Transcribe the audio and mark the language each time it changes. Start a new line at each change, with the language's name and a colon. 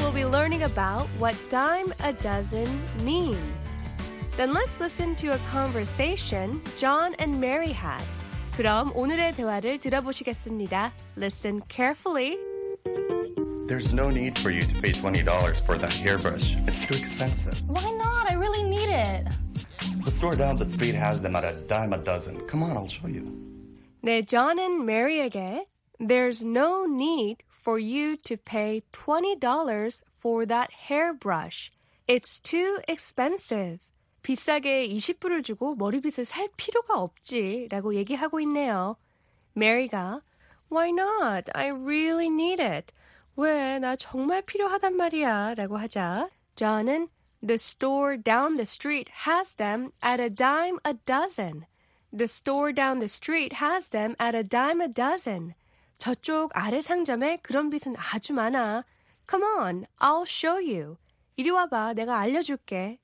English: learning about what dime a dozen means. Then let's listen to a conversation John and Mary had.
Korean: 그럼 오늘의 대화를 들어보시겠습니다.
English: Listen carefully. There's no need for you to pay $20 for that hairbrush. It's too expensive. Why not? I really need it. The store down the street has them at a dime a dozen. Come on, I'll show you.
Korean: 네,
English: John and Mary
Korean: 에게
English: There's no need for you to pay $20 for that hairbrush.
Korean: It's too expensive. 비싸게 20불을 주고 머리빗을 살 필요가 없지 라고 얘기하고 있네요.
English: Mary가 Why not? I really need it.
Korean: 왜? 나 정말 필요하단 말이야 라고 하자.
English: John은 The store down the street has them at a dime a dozen. The store down the street has them at a dime a dozen.
Korean: 저쪽 아래 상점에 그런 빗은 아주 많아.
English: Come on, I'll show you.
Korean: 이리 와봐, 내가 알려줄게.